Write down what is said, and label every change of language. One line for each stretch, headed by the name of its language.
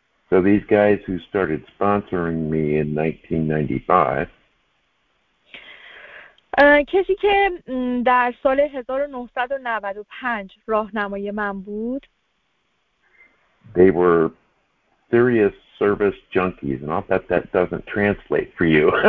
English: So these guys who started sponsoring me in 1995
Persian: کسی که در سال 1995 راهنمای من بود
English: they were serious service junkies and I bet that doesn't translate for you.